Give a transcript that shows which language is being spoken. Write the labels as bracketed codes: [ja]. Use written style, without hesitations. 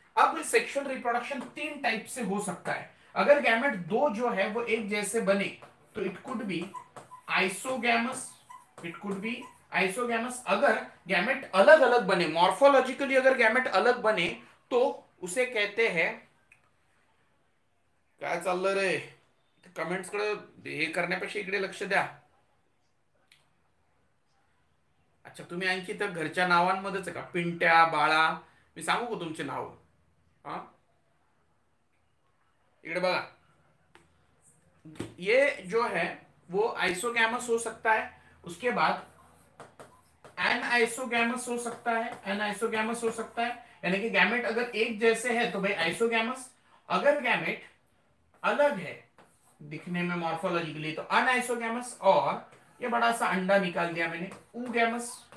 [hi] अब sexual reproduction 3 type से हो सकता है। अगर गैमेट दो जो है वो एक जैसे बने तो [en] it could be isogamous, [hi] it could be isogamous. अगर गैमेट अलग अलग बने, मॉर्फोलॉजिकली अगर गैमेट अलग बने तो उसे कहते हैं, क्या चल रहे कमेंट्स कड़े, [mr] हे करण्यापेक्षा इकडे लक्ष द्या। अच्छा तुम्ही आणखी तर घरच्या नावांमध्येच का, पिंट्या, बाळा, मी सांगू का तुमचे नाव, हां इकडे बघा, [hi] ये जो है वो आइसोगैमस हो सकता है। उसके बाद एनआइसोगैमस हो सकता है, एनआइसोगैमस हो सकता है, यानी कि गैमेट अगर एक जैसे है तो भाई आइसोगैमस, अगर गैमेट अलग है दिखने में मॉर्फोलॉजिकली तो अनआइसोगैमस, और ये बड़ा सा अंडा निकाल दिया मैंने, ऊगैमस।